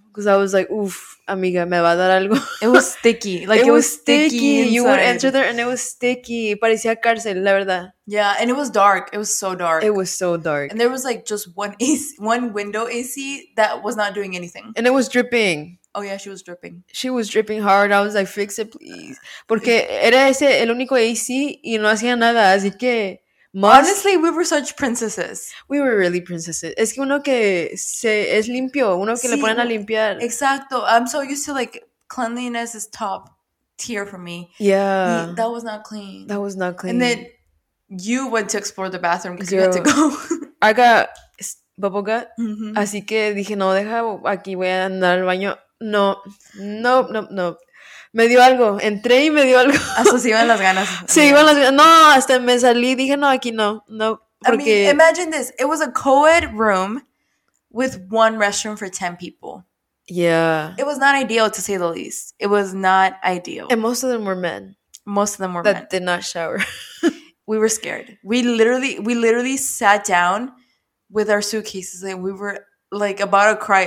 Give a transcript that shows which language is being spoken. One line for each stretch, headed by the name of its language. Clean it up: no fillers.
English: Because I was like, oof,
Spanish: amiga, me va a dar algo.
English: It was sticky. Like, it was sticky. Inside. You would enter there, and it was sticky.
Spanish: Parecía cárcel, la verdad.
English: Yeah, and it was dark. It was so dark. It was so dark. And there was, like, just one window AC that was not doing anything. And it was dripping. Oh, yeah, she was dripping. She was dripping hard. I was like, fix it, please.
Spanish: Porque era ese el único AC y no hacía nada, así que...
English: Honestly, we were such princesses. We were really princesses.
Spanish: Es que uno que se es limpio, uno que sí, le ponen a limpiar.
English: Exacto. I'm so used to, like, cleanliness is top tier for me. Yeah. That was not clean. That was not clean. And then you went to explore the bathroom because you had to go. I got bubble gut. Mm-hmm.
Spanish: Así que dije, no, deja aquí, voy a andar al baño. No, no, no, no. Me dio algo. Entré y me dio algo. Hasta se iban las ganas. Se iban las ganas. No, hasta me salí. Dije, no, aquí no. No, porque...
English: I mean, imagine this. It was a co-ed room with one restroom for 10 people. Yeah. It was not ideal, to say the least. It was not ideal. And most of them were men. Most of them were that men. That did not shower. We were scared. We literally sat down with our suitcases and we were, like, about to cry.